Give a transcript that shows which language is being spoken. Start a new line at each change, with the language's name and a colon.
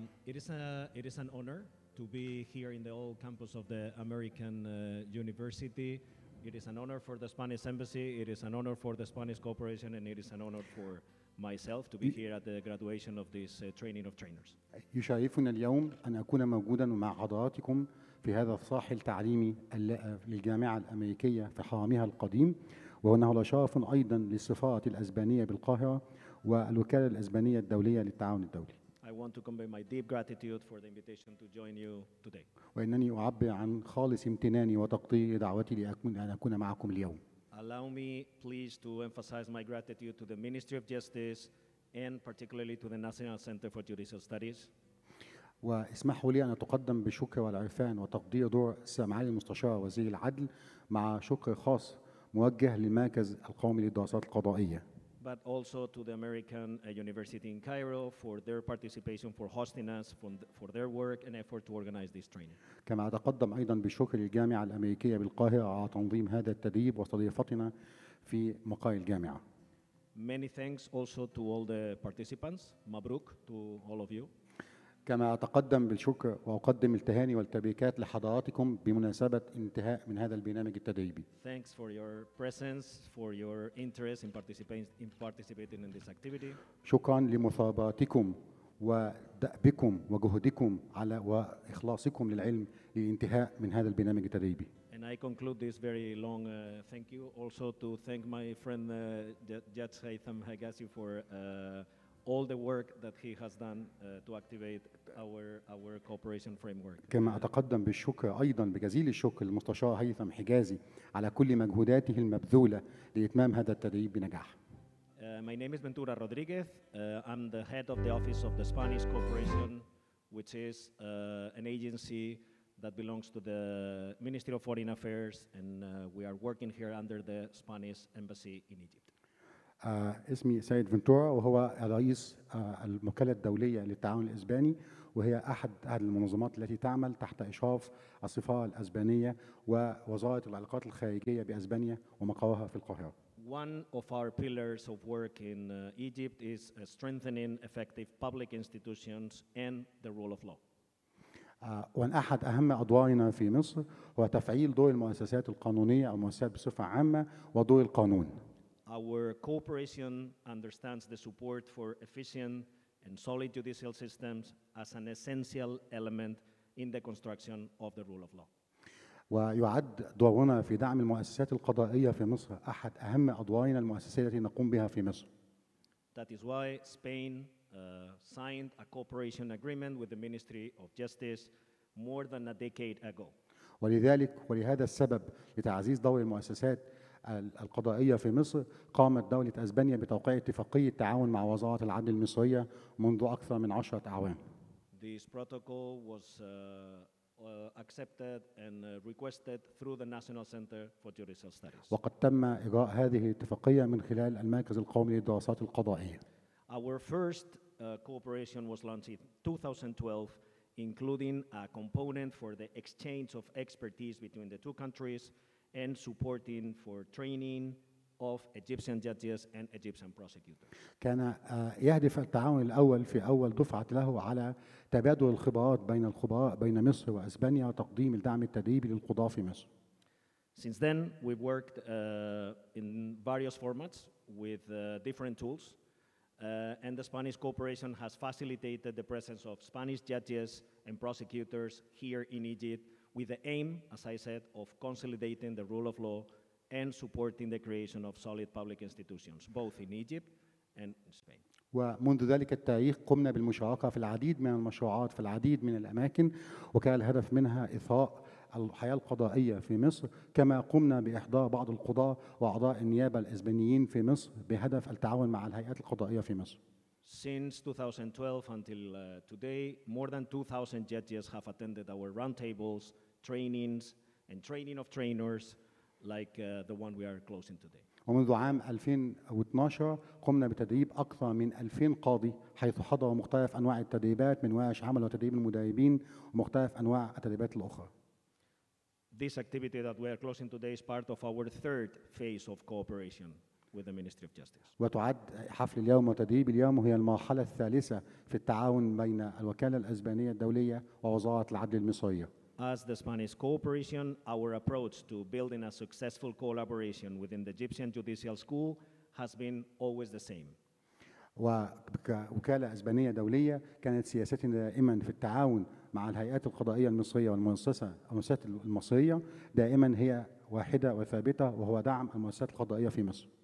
English: It is an honor to be here in the old campus of the American University. It is an honor for the Spanish Embassy. It is an honor for the Spanish Corporation, and it is an honor for myself to be here at the graduation of this training of trainers.
Arabic: يشرفنا اليوم أن أكون موجوداً مع حضراتكم في هذا الساحل التعليمي للجامعة الأمريكية في حرمها القديم، وهناه لشرف أيضاً للسفارة الأسبانية بالقاهرة والوكالة الأسبانية الدولية للتعاون الدولي.
English: I want to convey my deep gratitude for the invitation to join you today.
Arabic: وإنني أعبر عن خالص امتناني وتقدير دعوتي لأكون معكم اليوم.
English: Allow me please to emphasize my gratitude to the Ministry of Justice and particularly to the National Center for Judicial Studies.
Arabic: واسمحوا لي أن أتقدم بشكر والعرفان وتقدير دور معالي المستشار وزير العدل، مع شكر خاص موجه للمركز القومي للدراسات القضائية.
English: But also to the American University in Cairo for their participation, for hosting us, for their work and effort to organize this training.
Arabic: كما أتقدم أيضا بشكر الجامعة الأمريكية بالقاهرة على تنظيم هذا التدريب واستضافتنا في مقر الجامعة.
English: Many thanks also to all the participants.
Arabic: مبروك
English: to all of you.
Arabic: كما أتقدم بالشكر وأقدم التهاني والتبريكات لحضراتكم بمناسبة انتهاء من هذا البرنامج التدريبي.
English: Thanks for your presence, for your interest in participating in this activity.
Arabic: شكراً لمثابرتكم ودأبكم وجهدكم على وإخلاصكم للعلم لانتهاء من هذا البرنامج التدريبي.
English: And I conclude this very long thank you. Also to thank my friend Judge Haytham Hagasi for all the work that he has done to activate our cooperation framework.
Arabic: كما أتقدم بالشكر أيضا بجزيل الشكر للمستشار هيثم حجازي على كل مجهوداته المبذولة لإتمام هذا التدريب بنجاح.
English: My name is Ventura Rodríguez. I'm the head of the office of the Spanish Corporation, which is an agency that belongs to the Ministry of Foreign Affairs, and we are working here under the Spanish Embassy in Egypt.
Arabic: اسمي سيد فنتورا وهو رئيس المكالمة الدولية للتعاون الإسباني وهي أحد المنظمات التي تعمل تحت إشراف السفارة الإسبانية ووزارة العلاقات الخارجية بإسبانيا ومقرها في القاهرة.
English: One of our pillars of work in Egypt is strengthening effective public institutions and the rule of law.
Arabic: وأن أحد أهم أدوارنا في مصر هو تفعيل دور المؤسسات القانونية أو المؤسسات بصفة عامة ودور القانون.
English: Our cooperation understands the support for efficient and solid judicial systems as an essential element in the construction of the rule of law.
Arabic: ويعد دورنا في دعم المؤسسات القضائية في مصر أحد أهم أدوارنا المؤسسية التي نقوم بها في مصر.
English: That is why Spain signed a cooperation agreement with the Ministry of Justice more than a decade ago.
Arabic: ولذلك ولهذا السبب لتعزيز دور المؤسسات القضائية في مصر قامت دولة أسبانيا بتوقيع اتفاقية تعاون مع وزارة العدل المصرية منذ أكثر من 10 أعوام.
English: This protocol was accepted and requested through the National Center for Judicial Studies.
Arabic: وقد تم إجراء هذه الاتفاقية من خلال المركز القومي للدراسات القضائية.
English: Our first cooperation was launched in 2012, including a component for the exchange of expertise between the two countries and supporting for training of Egyptian judges and Egyptian prosecutors.
Arabic: كان يهدف التعاون الأول في أول دفعة له على تبادل الخبرات بين الخبراء بين مصر وأسبانيا وتقديم الدعم التدريبي للقضاة في مصر.
English: Since then, we've worked in various formats with different tools, and the Spanish cooperation has facilitated the presence of Spanish judges and prosecutors here in Egypt, with the aim, as I said, of consolidating the rule of law and supporting the creation of solid public institutions, both in Egypt and in Spain.
Arabic: ومنذ ذلك التاريخ قمنا بالمشاركة في العديد من المشروعات في العديد من الأماكن وكان الهدف منها إثراء الحياة القضائية في مصر كما قمنا بإحضار بعض القضاة وأعضاء النيابة الإسبانيين في مصر بهدف التعاون مع الهيئات القضائية في مصر.
English: Since 2012 until today, more than 2,000 judges have attended our roundtables, trainings, and training of trainers like the one we are closing today.
Arabic: ومنذ عام 2012 قمنا بتدريب أكثر من 2,000 قاضي حيث حضروا مختلف أنواع التدريبات من ورش عمل وتدريب المدربين ومختلف أنواع التدريبات الأخرى.
English: This activity that we are closing today is part of our third phase of cooperation with the Ministry of Justice.
Arabic: وتعد حفل اليوم وتدريب اليوم هي المرحلة الثالثة في التعاون بين الوكالة الإسبانية الدولية ووزارة العدل المصرية.
English: As the Spanish cooperation, our approach to building a successful collaboration within the Egyptian judicial school has been always the same.
Arabic: وكوكالة إسبانية دولية كانت سياستنا دائما في التعاون مع الهيئات القضائية المصرية والمؤسسات المصرية دائما هي واحدة وثابتة وهو دعم المؤسسات القضائية في مصر.